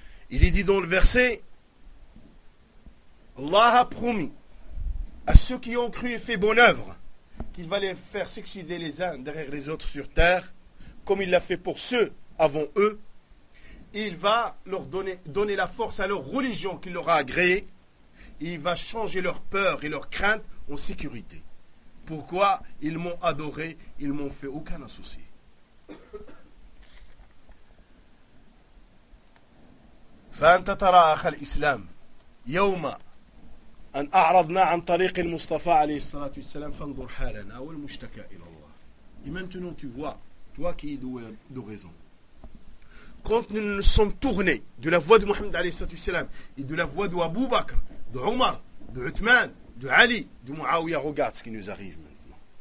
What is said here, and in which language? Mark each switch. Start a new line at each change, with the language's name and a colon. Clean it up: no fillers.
French: Il est dit dans le verset, Allah a promis à ceux qui ont cru et fait bonne œuvre qu'il va les faire succéder les uns derrière les autres sur terre, comme il l'a fait pour ceux avant eux. Il va leur donner la force à leur religion qu'il leur a agréée. Et il va changer leur peur et leur crainte en sécurité. Pourquoi? Ils m'ont adoré, ils m'ont fait aucun associé.
Arabic: فأنت ترى أخ الإسلام يوم أن أعرضنا عن طريق المصطفى عليه الصلاة والسلام فانظر حالنا والمشتكى إلى الله.
French: Et maintenant tu vois, toi qui es doué de raison, quand nous nous sommes tournés de la voie de Mohammed عليه الصلاة والسلام et de la voie de Abu Bakr, de Omar, de Uthman, de Ali, de Muawiya, regarde ce qui nous arrive maintenant.